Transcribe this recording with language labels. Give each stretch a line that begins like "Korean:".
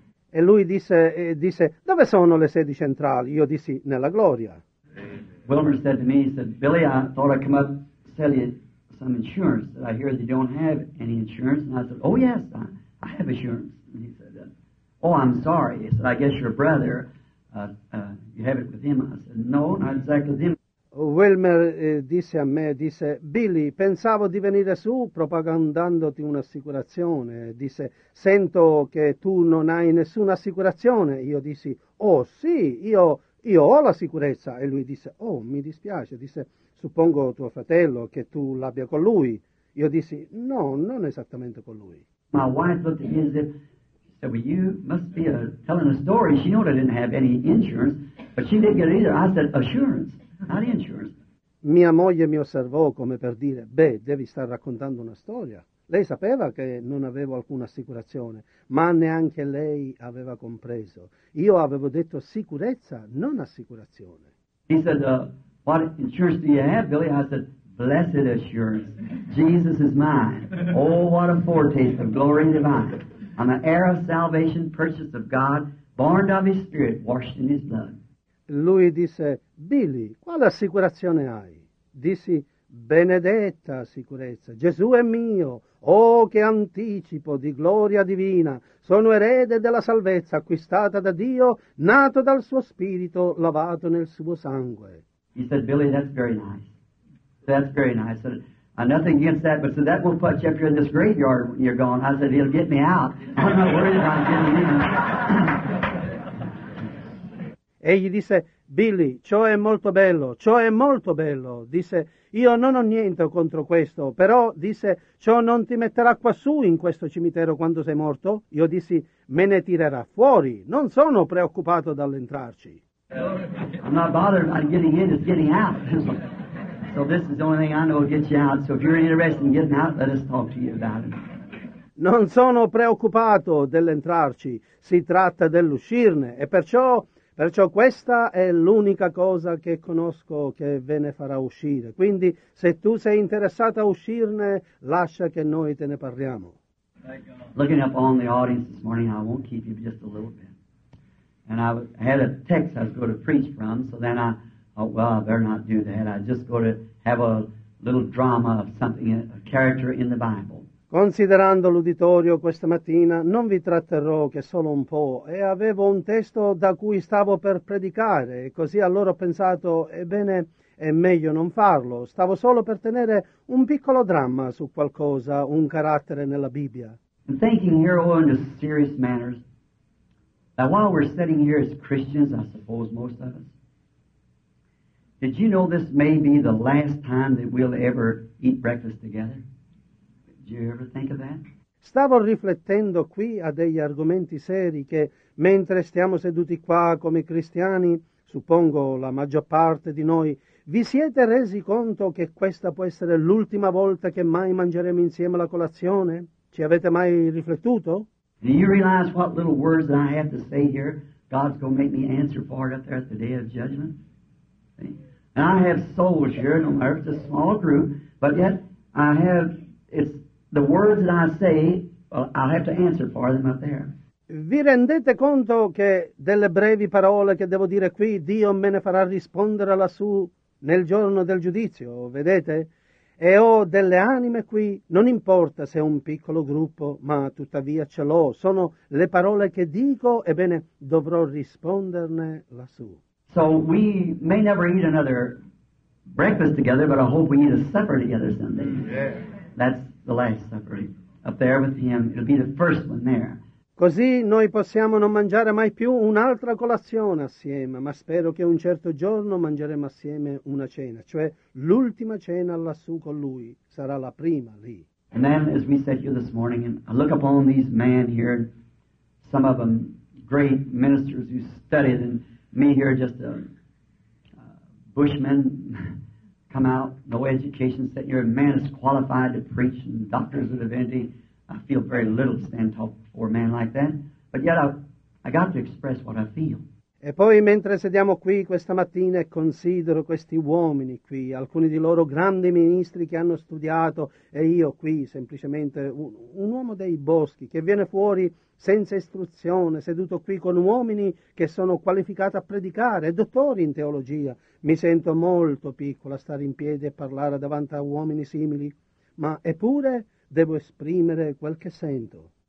Italian: E lui disse, dove sono le sedi centrali? Io dissi, nella gloria.
English: Wilmer said to me, he said, Billy, I thought I'd come up and sell you some insurance. I hear that you don't have any insurance. And I said, oh, yes, I have assurance. And he said, oh, I'm sorry. He said, I guess your brother, you have it with him. I said, no, not exactly with him.
Italian: Wilmer disse a me, disse, Billy, pensavo di venire su propagandandoti un'assicurazione. Disse, sento che tu non hai nessuna assicurazione. Io dissi, oh sì, io ho la sicurezza. E lui disse, oh, mi dispiace. Disse, suppongo tuo fratello che tu l'abbia con lui. Io dissi, no, non esattamente con lui.
English: My wife looked at him and said, well, you must be telling a story. She knew I didn't have any insurance, but she didn't get it either. I said, assurance. Not insurance.
Italian: Mia moglie mi osservò come per dire, beh, devi star raccontando una storia. Lei sapeva che non avevo alcuna assicurazione, ma neanche lei aveva compreso. Io avevo detto sicurezza, non assicurazione.
English: He said, what insurance do you have, Billy? I said, blessed assurance. Jesus is mine. Oh, what a foretaste of glory divine. I'm an heir of salvation, purchase of God, born of his spirit, washed in his blood.
Italian: Lui disse, Billy, quale assicurazione hai? Dissi, benedetta sicurezza, Gesù è mio, oh che anticipo di gloria divina, sono erede della salvezza acquistata da Dio, nato dal suo spirito, lavato nel suo sangue.
English: He said, Billy, that's very nice. That's very nice. I said, I'm nothing against that, but so that will put you up here in this graveyard when you're gone. I said, he'll get me out. I'm not worried about getting in.
Italian: Egli disse, Billy, ciò è molto bello, ciò è molto bello. Disse, io non ho niente contro questo, però, disse, ciò non ti metterà quassù in questo cimitero quando sei morto? Io dissi, me ne tirerà fuori, non sono preoccupato dall'entrarci.
English: I'm not bothered about getting in, it's getting out. So this is the only thing I know will get you out. So if you're interested in getting out, let us talk to you about it.
Italian: Non sono preoccupato dell'entrarci, si tratta dell'uscirne, e perciò questa è l'unica cosa che conosco che ve ne farà uscire. Quindi, se tu sei interessato a uscirne, lascia che noi te ne parliamo.
English: Looking up on the audience this morning, I won't keep you just a little bit. And I had a text I was going to preach from, so then I thought, well, I better not do that. I just go to have a little drama of something, a character in the Bible.
Italian: Considerando l'uditorio questa mattina, non vi tratterrò che solo un po', e avevo un testo da cui stavo per predicare, e così allora ho pensato, ebbene, è meglio non farlo, stavo solo per tenere un piccolo dramma su qualcosa, un carattere nella Bibbia.
English: And thinking here, oh, in a serious manner, that while we're sitting here as Christians, I suppose most of us, did you know this may be the last time that we'll ever eat breakfast together? Did you ever think of that?
Italian: Stavo riflettendo qui a degli argomenti seri che, mentre stiamo seduti qua come cristiani, suppongo la maggior parte di noi, vi siete resi conto che questa può essere l'ultima volta che mai mangeremo insieme la colazione? Ci avete mai riflettuto?
English: Do you realize what little words that I have to say here? God's going to make me answer for it up there at the day of judgment. See? And I have souls here, no matter if it's a small group, but yet I have... It's the words that I say, well, I'll have to answer for them up there.
Italian: Vi rendete conto che delle brevi parole che devo dire qui, Dio me ne farà rispondere lassù nel giorno del giudizio, vedete? E ho delle anime qui, non importa se è un piccolo gruppo, ma tuttavia ce l'ho. Sono le parole che dico, ebbene, dovrò risponderne lassù.
English: So we may never eat another breakfast together, but I hope we eat a supper together someday. Yeah. That's the last supper up there with him. It'll be the first one there.
Italian: Così noi possiamo non mangiare mai più un'altra colazione assieme, ma spero che un certo giorno mangeremo assieme una cena, cioè l'ultima cena lassù con lui sarà la prima lì.
English: And then, as we said here this morning, and I look upon these men here, some of them great ministers who studied, and me here just a bushman. Come out, no education, sitting here, a man is qualified to preach and doctors of divinity. I feel very little to stand tall before a man like that. But yet I got to express what I feel.
Italian: E poi mentre sediamo qui questa mattina e considero questi uomini qui, alcuni di loro grandi ministri che hanno studiato, e io qui semplicemente un uomo dei boschi che viene fuori senza istruzione, seduto qui con uomini che sono qualificati a predicare, dottori in teologia, mi sento molto piccolo a stare in piedi e parlare davanti a uomini simili, ma eppure devo esprimere quel che sento.